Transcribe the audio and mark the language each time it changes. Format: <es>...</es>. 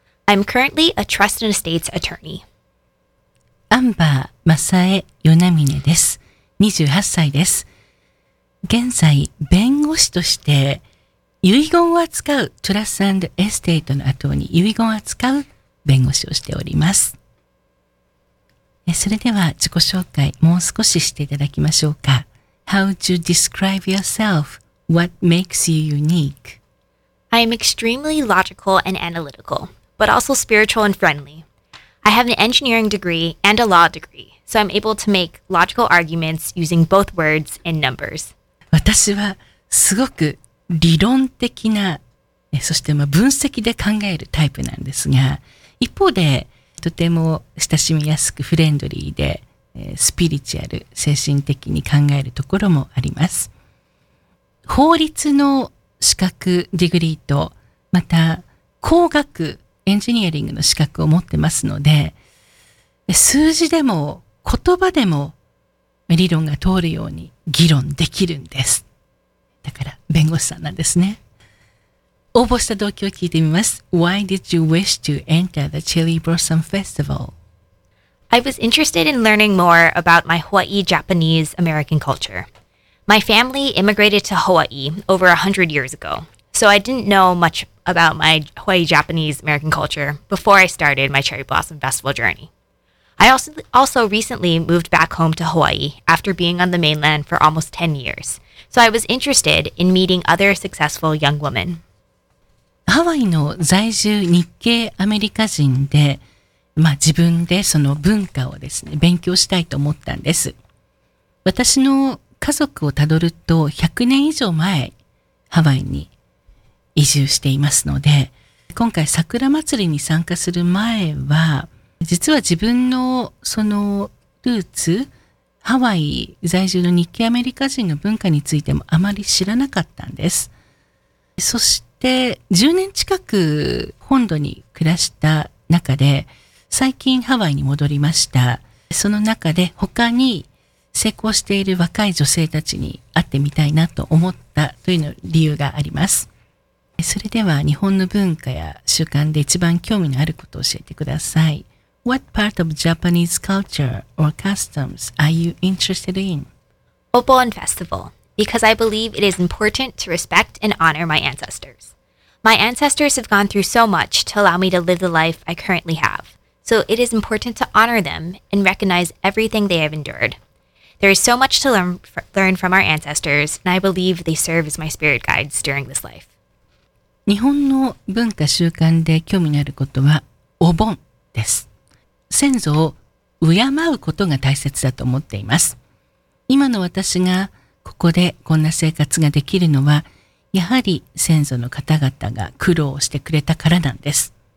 <en>I'm currently a trust and estates attorney.</en> <ja>Amber Masaye Yonamine です。28歳です。現在、弁護士として遺言を扱うトラスアンドエステートの後に遺言を扱う弁護士をしております。それでは自己紹介もう少ししていただきましょうか。</ja> <en>How to describe yourself? What makes you unique? I am extremely logical and analytical, but also spiritual and friendly. I have an engineering degree and a law degree, so I'm able to make logical arguments using both words and numbers.</en> <ja>私はすごく理論的な、そして分析で考えるタイプなんですが、一方でとても親しみやすくフレンドリーで、スピリチュアル、精神的に考えるところもあります。法律の資格、ディグリーと、また工学、エンジニアリングの資格を持ってますので、数字でも言葉でも理論が通るように議論できるんです。だから弁護士さんなんですね。応募した動機を聞いてみます。</ja> <en>Why did you wish to enter the Cherry Blossom Festival? I was interested in learning more about my Hawaii Japanese American culture. My family immigrated to Hawaii over 100 years ago, so I didn't know much about my Hawaii Japanese American culture before I started my Cherry Blossom Festival journey. I also recently moved back home to Hawaii after being on the mainland for almost 10 years, so I was interested in meeting other successful young women.</en> <ja>ハワイの在住日系アメリカ人で、まあ自分でその文化をですね、勉強したいと思ったんです。私の家族をたどると100年以上前、ハワイに移住していますので、今回桜祭りに参加する前は、実は自分のそのルーツ、ハワイ在住の日系アメリカ人の文化についてもあまり知らなかったんです。そして10年近く本土に暮らした中で、最近ハワイに戻りました。その中で他に成功している若い女性たちに会ってみたいなと思ったというの理由があります。それでは日本の文化や習慣で一番興味のあることを教えてください。</ja> <en>What part of Japanese culture or customs are you interested in? Obon Festival, because I believe it is important to respect and honor my ancestors. My ancestors have gone through so much to allow me to live the life I currently have, so it is important to honor them and recognize everything they have endured. There is so much to learn from our ancestors, and I believe they serve as my spirit guides during this life.</en> <ja>日本の文化習慣で興味のあることはお盆です。先祖を敬うことが大切だと思っています。今の私がここでこんな生活ができるのは、やはり先祖の方々が苦労してくれたからなんです。</ja>